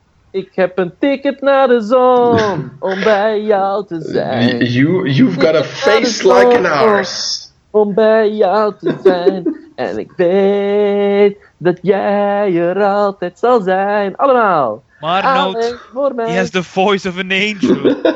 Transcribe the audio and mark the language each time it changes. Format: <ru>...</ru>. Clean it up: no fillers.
<nl>Ik heb een ticket naar de zon om bij jou te zijn.</nl> <en>You've got a face like an arse.</en> <nl>Om bij jou te zijn. En ik weet dat jij er altijd zal zijn. Allemaal. Maar Noot,</nl> <en>he has the voice of an angel.</en>